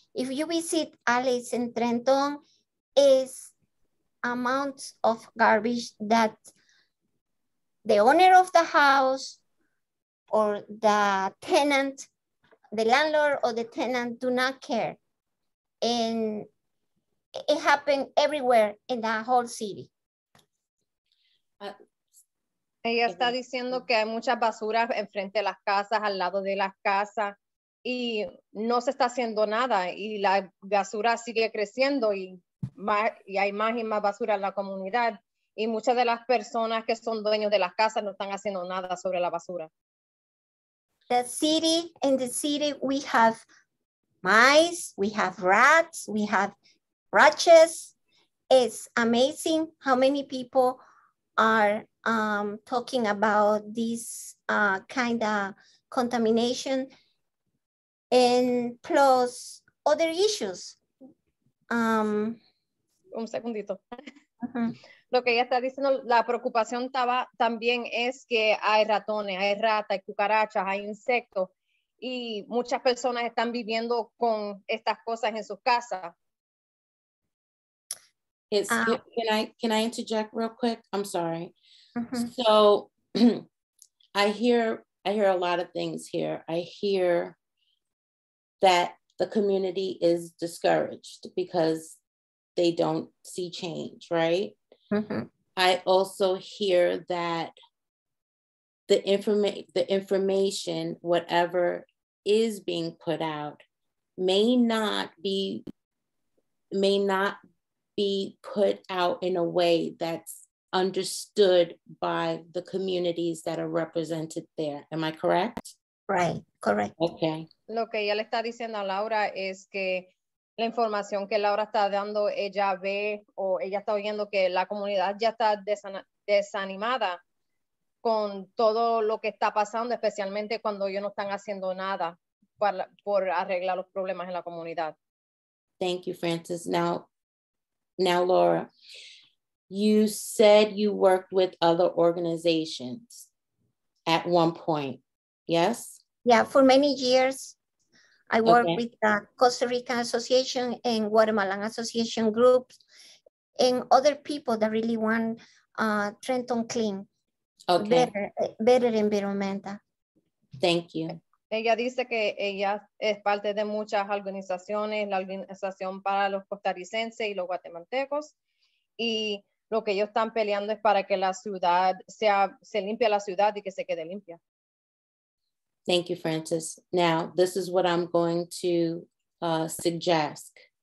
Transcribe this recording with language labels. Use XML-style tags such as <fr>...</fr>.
<en>If you visit alleys in Trenton, it's amounts of garbage that the owner of the house or the tenant, the landlord or the tenant do not care. And it happened everywhere in the whole city.</en> <es>Ella está diciendo que hay muchas basuras enfrente de las casas, al lado de las casas, y no se está haciendo nada, y la basura sigue creciendo, y hay más y más basura en la comunidad, y muchas de las personas que son dueños de las casas no están haciendo nada sobre la basura.</es> <en>In the city, we have mice, we have rats, we have roaches. It's amazing how many people are talking about this kind of contamination and plus other issues.</en> <es>Un segundito. Uh-huh. Lo que ella está diciendo, la preocupación también es que hay ratones, hay ratas, hay cucarachas, hay insectos y muchas personas están viviendo con estas cosas en sus casas.</es> <en>Can I interject real quick? I'm sorry. Mm-hmm. So I hear a lot of things here. I hear that the community is discouraged because they don't see change, right? Mm-hmm. I also hear that the information, whatever is being put out, may not be put out in a way that's understood by the communities that are represented there. Am I correct? Right, correct. Okay.</en> <es>Lo que ella le está diciendo a Laura es que la información que Laura está dando, ella ve o ella está oyendo que la comunidad ya está desanimada con todo lo que está pasando, especialmente cuando ellos no están haciendo nada por arreglar los problemas en la comunidad.</es> <en>Thank you, Francis. Now, Laura, you said you worked with other organizations. at one point. Yes? Yeah, for many years, I worked with the Costa Rican Association and Guatemalan Association groups and other people that really want Trenton clean. Okay. Better environmental. Thank you.</en> <es>Ella dice que ella es parte de muchas organizaciones, la organización para los costarricenses y los guatemaltecos, y lo que ellos están peleando es para que la ciudad sea, se limpie la ciudad y que se quede limpia.</es> <en>Thank you, Francis. Now, this is what I'm going to suggest.</en>